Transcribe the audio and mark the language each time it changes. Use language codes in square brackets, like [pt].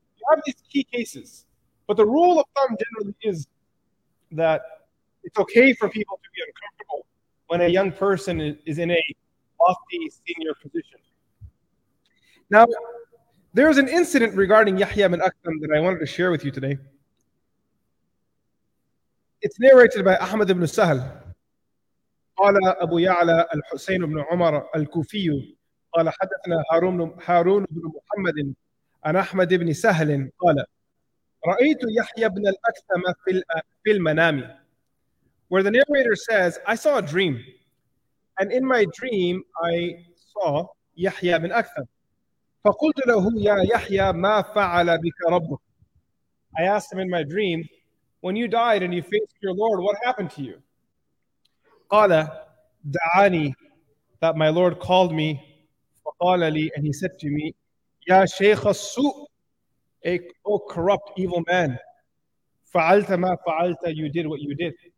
[en] You have these key cases. But the rule of thumb generally is that it's okay for people to be uncomfortable when a young person is in a lofty senior position. Now, there's an incident regarding Yahya bin Aktham that I wanted to share with you today. It's narrated by Ahmad ibn Sahl. [ar] قال أبو يعلى الحسين بن عمر الكوفي قال حدثنا هارون بن محمد عن أحمد بن سهل قال رأيت يحيى بن الأكثم في المنام. [en] Where the narrator says, I saw a dream, and in my dream I saw يحيى بن أكثم. [ar] فقلت له يا يحيى ما فعل بك ربك. [en] I asked him in my dream, when you died and you faced your Lord, what happened to you? [ar] قال دعاني, [en] that my Lord called me. [ar] فقال لي, [en] and he said to me, [ar] يا شيخ السوء, [en] O corrupt evil man, [ar] فعلت ما فعلت, [en] you did what you did.